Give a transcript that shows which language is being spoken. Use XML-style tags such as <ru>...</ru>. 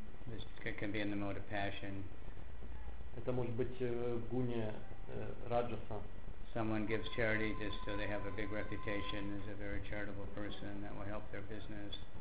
<en>This can be in the mode of passion.</en> <ru>Это может быть в гуне раджаса.</ru> <en>Someone gives charity just so they have a big reputation as a very charitable person that will help their business.</en>